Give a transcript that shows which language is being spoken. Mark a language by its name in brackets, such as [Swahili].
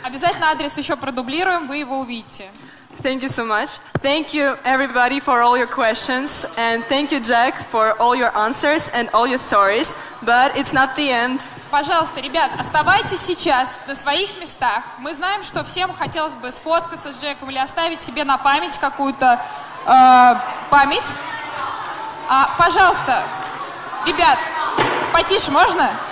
[Russian] Обязательно адрес еще продублируем, вы его увидите. [English] Thank you so much. Thank you everybody for all your questions, and thank you Jack for all your answers and all your stories. But it's not the end. [Russian] Пожалуйста, ребят, оставайтесь сейчас на своих местах. Мы знаем, что всем хотелось бы сфоткаться с Джеком или оставить себе на память какую-то память. Пожалуйста, ребят, потише можно?